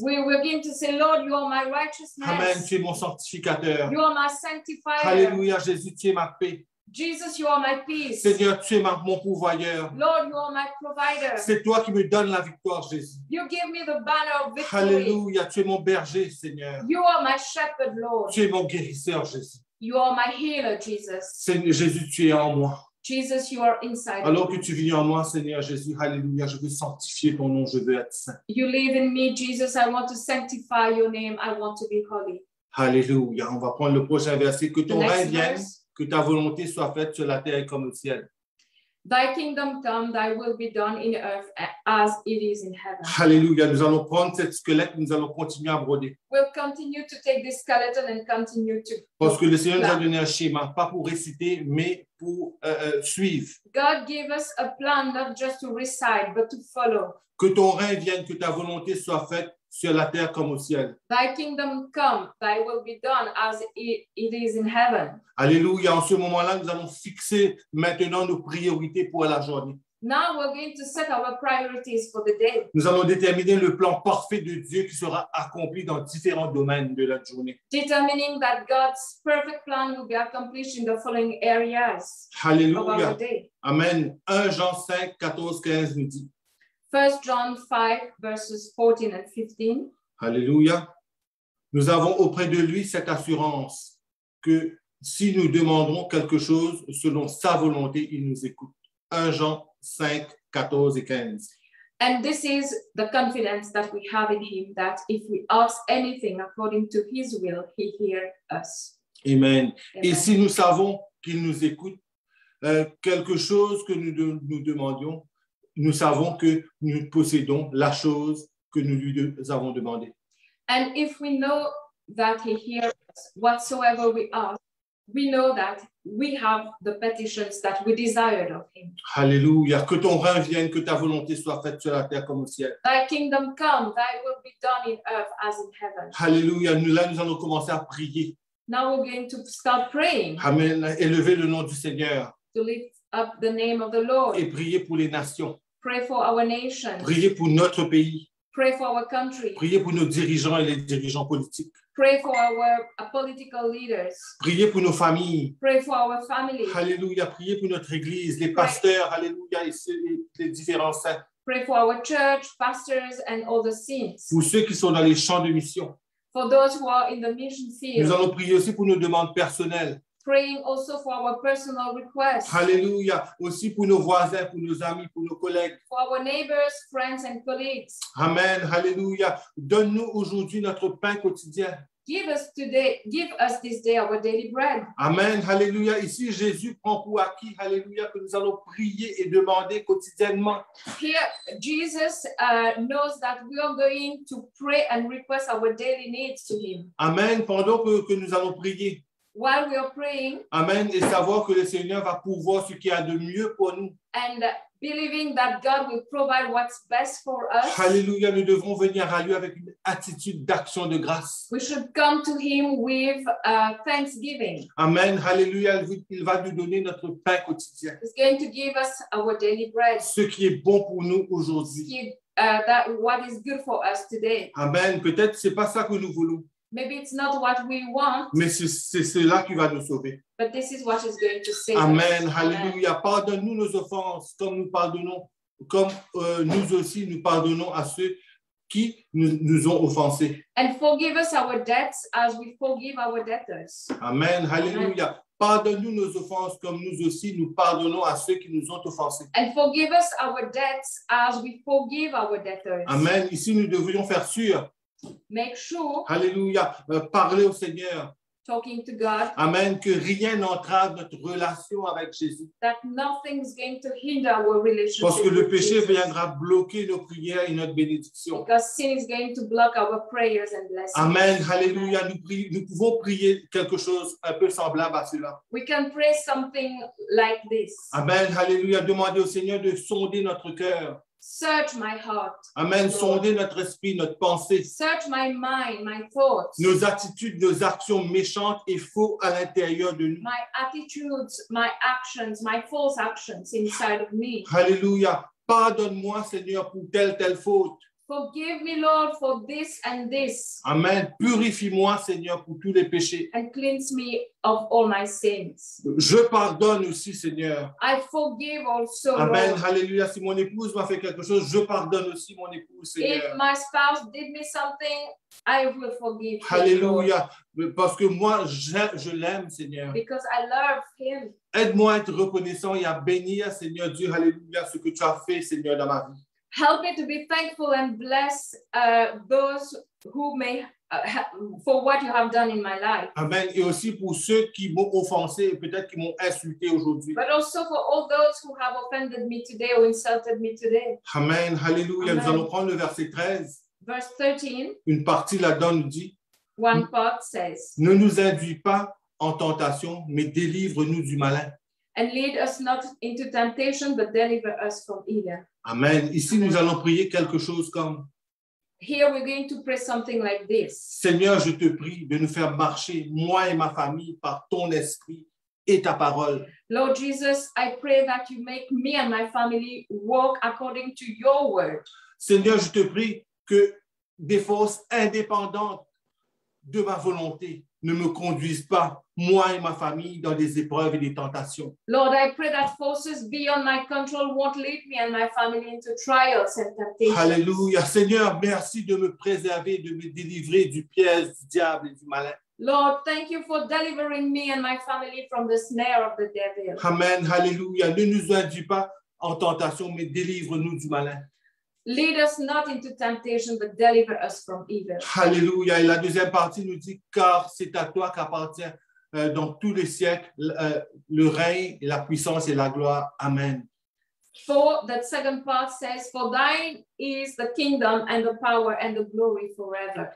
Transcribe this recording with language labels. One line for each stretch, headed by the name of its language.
English: We will begin to say, Lord, you are my righteousness.
French: Amen, tu es mon sanctificateur.
English: You are my sanctifier.
French: Hallelujah, Jésus, tu es ma paix.
English: Jesus, you are my peace.
French: Seigneur, tu es mon pourvoyeur.
English: Lord, you are my provider.
French: C'est toi qui me donnes la victoire, Jésus.
English: You give me the banner of victory.
French: Hallelujah, tu es mon berger, Seigneur.
English: You are my shepherd, Lord.
French: Tu es mon guérisseur, Jésus.
English: You are my healer, Jesus.
French: Seigneur Jésus, tu es en moi.
English: Jesus, you are inside.
French: Alors que tu vis en moi, Seigneur Jésus, hallelujah, je veux sanctifier ton nom, je veux être saint.
English: You live in me, Jesus, I want to sanctify your name, I want to be holy.
French: Hallelujah, on va prendre le prochain verset. Que ton règne vienne, que ta volonté soit faite sur la terre comme au ciel.
English: Thy kingdom come, thy will be done in earth as it is in heaven.
French: Hallelujah, nous allons prendre cet squelette, nous allons continuer à broder.
English: We'll continue to take this skeleton and continue to
French: Parce que le Seigneur plan. Nous a donné un schéma, pas pour réciter, mais pour suivre.
English: God gave us a plan not just to recite, but to follow.
French: Que ton règne vienne, que ta volonté soit faite sur la terre comme au ciel.
English: Thy kingdom come, thy will be done as it is in heaven.
French: Alléluia, en ce moment-là, nous allons fixer maintenant nos priorités pour la journée.
English: Now we're going to set our priorities for the day.
French: Nous allons déterminer le plan parfait de Dieu qui sera accompli dans différents domaines de la journée.
English: Determining that God's perfect plan will be accomplished in the following areas.
French: Alléluia. Amen. 1 Jean 5, 14, 15 nous dit.
English: 1 John 5, verses 14 and 15. Alléluia.
French: Nous avons auprès de lui cette assurance que si nous demandons quelque chose selon sa volonté, il nous écoute. 1 Jean 5, 14 et 15.
English: And this is the confidence that we have in him, that if we ask anything according to his will, he hears us. Amen. Amen.
French: Et si nous savons qu'il nous écoute, quelque chose que nous demandions, nous savons que nous possédons la chose que nous lui avons demandé.
English: And if we know that he hears us, whatsoever we ask, we know that we have the petitions that we desired of him. Hallelujah.
French: Que ton règne vienne, que ta volonté soit faite sur la terre comme au ciel.
English: Thy kingdom come, thy will be done in earth as in heaven. Hallelujah.
French: Là, nous allons commencer à prier.
English: Now we're going to start praying. Amen.
French: Élever le nom du Seigneur.
English: To lift up the name of the Lord.
French: Et prier pour les nations.
English: Pray for our nation.
French: Prier pour notre pays.
English: Pray for our country.
French: Prier pour nos dirigeants et les dirigeants politiques.
English: Pray for our political leaders.
French: Prier pour nos familles.
English: Pray for our family. Hallelujah.
French: Prier pour notre église, les pasteurs, hallelujah, et les différents saints.
English: Pray for our church, pastors and all the saints.
French: Pour ceux qui sont dans les champs de mission.
English: For those who are in the mission field.
French: Nous allons prier aussi pour nos demandes personnelles.
English: Praying also for our personal requests. Hallelujah.
French: Aussi pour nos voisins, pour nos amis, pour nos collègues.
English: For our neighbors, friends, and colleagues. Amen. Hallelujah.
French: Donne-nous aujourd'hui notre pain quotidien.
English: Give us this day our daily bread. Amen. Hallelujah.
French: Ici, Jésus prend pour acquis, hallelujah, que nous allons prier et demander quotidiennement.
English: Here, Jesus knows that we are going to pray and request our daily needs to him. Amen.
French: Pendant que nous allons prier.
English: While we are praying,
French: amen, et savoir que le Seigneur va pourvoir ce qu'il y a de mieux pour nous.
English: And believing that God will provide what's best for us.
French: Hallelujah, nous devons venir à lui avec une attitude d'action de grâce.
English: We should come to him with thanksgiving.
French: Amen, hallelujah, il va nous donner notre pain quotidien.
English: He's going to give us our daily bread.
French: Ce qui est bon pour nous aujourd'hui.
English: What is good for us today.
French: Amen, peut-être ce n'est pas ça que nous voulons.
English: Maybe it's not what we want.
French: Mais c'est cela qui va nous sauver.
English: But this is what is going to save. Amen. Hallelujah.
French: Pardonne-nous nos offenses, comme nous pardonnons, comme nous aussi nous pardonnons à ceux qui nous ont offensés.
English: And forgive us our debts as we forgive our debtors. Amen. Hallelujah.
French: Pardonne-nous nos offenses, comme nous aussi nous pardonnons à ceux qui nous ont offensés.
English: And forgive us our debts as we forgive our debtors. Amen.
French: Ici, nous devrions faire sûr.
English: Make sure.
French: Hallelujah. Parler au Seigneur.
English: talking to God. Amen.
French: Que rien n'entrave notre relation avec Jésus.
English: That nothing is going to hinder our relationship.
French: Parce que le péché viendra bloquer nos prières et notre bénédiction.
English: Because sin is going to block our prayers and blessings. Amen. Hallelujah.
French: Nous pouvons prier quelque chose un peu semblable à cela.
English: We can pray something like this. Amen. Hallelujah.
French: Demandez au Seigneur de sonder notre cœur.
English: Search my heart. Amen. Lord.
French: Sondez notre esprit, notre pensée.
English: Search my mind, my thoughts.
French: Nos attitudes, nos actions méchantes et faux à l'intérieur de nous.
English: My attitudes, my actions, my false actions inside of me. Hallelujah.
French: Pardonne-moi, Seigneur, pour telle faute.
English: Forgive me, Lord, for this and this. Amen.
French: Purifie-moi, Seigneur, pour tous les péchés.
English: And cleanse me of all my sins.
French: Je pardonne aussi, Seigneur.
English: I forgive also. Amen. Hallelujah.
French: Si mon épouse m'a fait quelque chose, je pardonne aussi mon épouse, Seigneur.
English: If my spouse did me something, I will forgive. Hallelujah.
French: Parce que moi, je l'aime, Seigneur.
English: Because I love him.
French: Aide-moi à être reconnaissant et à bénir, Seigneur Dieu, hallelujah, ce que tu as fait, Seigneur, dans ma vie.
English: Help me to be thankful and bless those who may for what you have done in my life. Amen.
French: Et aussi pour ceux qui m'ont offensé et peut-être qui m'ont insulté aujourd'hui.
English: But also for all those who have offended me today or insulted me today. Amen. Hallelujah.
French: Nous allons prendre le verset 13.
English: Verse 13.
French: Une partie là-dedans nous dit.
English: One part says.
French: Ne nous induis pas en tentation, mais délivre-nous du malin.
English: And lead us not into temptation, but deliver us from evil. Amen.
French: Ici, nous allons prier quelque chose comme.
English: Here we're going to pray something like this.
French: Seigneur, je te prie de nous faire marcher, moi et ma famille, par ton esprit et ta parole.
English: Lord Jesus, I pray that you make me and my family walk according to your word.
French: Seigneur, je te prie que des forces indépendantes de ma volonté ne me conduisent pas, moi et ma famille, dans des épreuves et des tentations.
English: Lord, I pray that forces beyond my control won't lead me and my family into trials and temptations. Hallelujah.
French: Seigneur, merci de me préserver, de me délivrer du piège du diable et du malin.
English: Lord, thank you for delivering me and my family from the snare of the devil. Amen. Hallelujah.
French: Ne nous induis pas en tentation, mais délivre-nous du malin.
English: Lead us not into temptation, but deliver us from evil. Hallelujah.
French: Et la deuxième partie nous dit, car c'est à toi qu'appartient dans tous les siècles le règne, la puissance et la gloire. Amen.
English: For that second part says, for thine is the kingdom and the power and the glory forever.